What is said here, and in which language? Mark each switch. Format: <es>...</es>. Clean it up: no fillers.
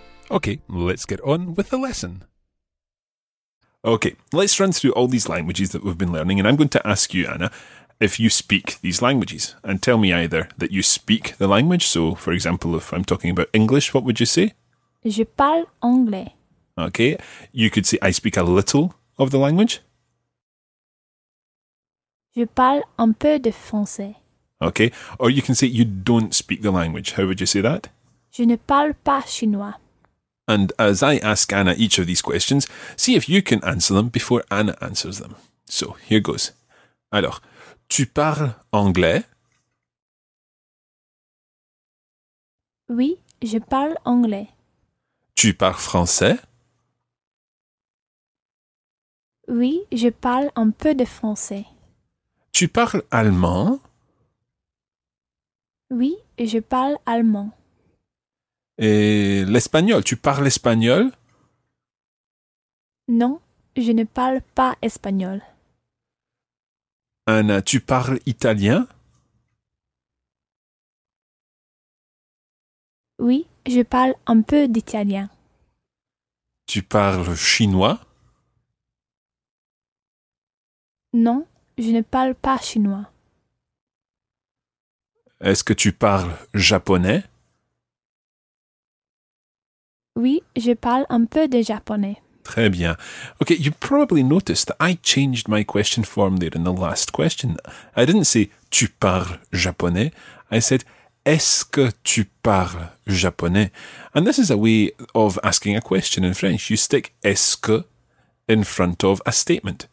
<en>Okay, let's get on with the lesson. Okay, let's run through all these languages that we've been learning, and I'm going to ask you, Anna, if you speak these languages, and tell me either that you speak the language. So, for example, if I'm talking about English, what would you say?</en> <fr>Je parle anglais.</fr> <en>Okay, you could say I speak a little of the language.</en> <fr>Je parle un peu de français.</fr> <en>Okay, or you can say you don't speak the language. How would you say that?</en> <fr>Je ne parle pas chinois.</fr> <en>And as I ask Anna each of these questions, see if you can answer them before Anna answers them. So, here goes.</en> <fr>Alors, tu parles anglais? Oui, je parle anglais. Tu parles français? Oui, je parle un peu de français. Tu parles allemand? Oui, je parle allemand. Et l'espagnol, tu parles espagnol? Non, je ne parle pas espagnol. Anna, tu parles italien? Oui, je parle un peu d'italien. Tu parles chinois? Non, je ne parle pas chinois. Est-ce que tu parles japonais? Oui, je parle un peu de japonais. Très bien.</fr> <en>Okay, you probably noticed that I changed my question form there in the last question. I didn't say,</en> <fr>tu parles japonais.</fr> <en>I said,</en> <fr>est-ce que tu parles japonais?</fr> <en>And this is a way of asking a question in French. You stick</en> <fr>est-ce que</fr> <en>in front of a statement.</en>